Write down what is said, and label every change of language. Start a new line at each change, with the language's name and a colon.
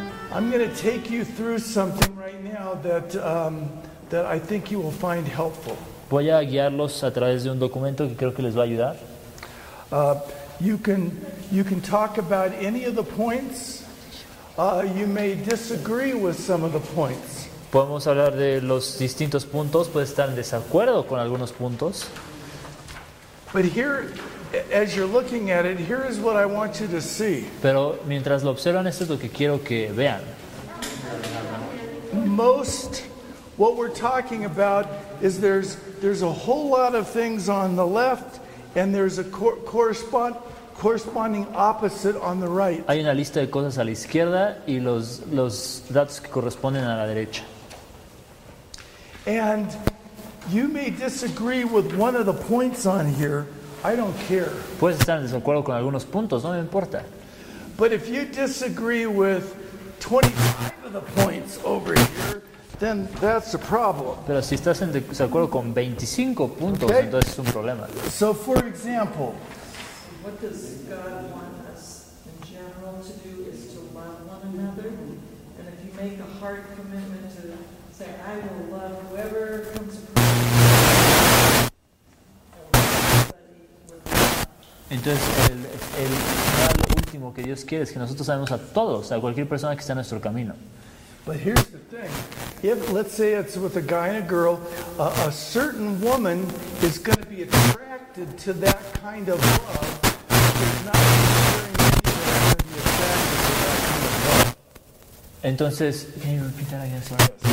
English: I'm going to take you through something right now that that I think you will find helpful.
Spanish: Voy a guiarlos a través de un documento que creo que les va a ayudar.
English: You can talk about any of the points. You may disagree with some of the points.
Spanish: Podemos hablar de los distintos puntos, puede estar en desacuerdo con algunos puntos.
English: But here, as you're looking at it, here is what I want you to see.
Spanish: Pero mientras lo observan, esto es lo que quiero que vean.
English: Most, what we're talking about is there's a whole lot of things on the left, and there's a corresponding opposite on the right.
Spanish: Hay una lista de cosas a la izquierda y los datos que corresponden a la derecha.
English: And you may disagree with one of the points on here. I don't care.
Spanish: Puedes estar en desacuerdo con algunos puntos, no me importa.
English: But if you disagree with 25 of the points over here, then that's a problem.
Spanish: Pero si estás en desacuerdo con 25 puntos, okay, entonces es un problema.
English: So for example, what does God want us in general to do is to love one another. And if you make a hard commitment to say, I will love whoever comes across.
Spanish: Entonces, el último que Dios quiere es que nosotros amemos a todos, a cualquier persona que esté en nuestro camino.
English: But here's the thing. If, let's say it's with a guy and a girl, a certain woman is going to be attracted to that kind of love. She's not going to be attracted to that kind of love.
Spanish: Entonces,
English: can you repeat that again, sorry?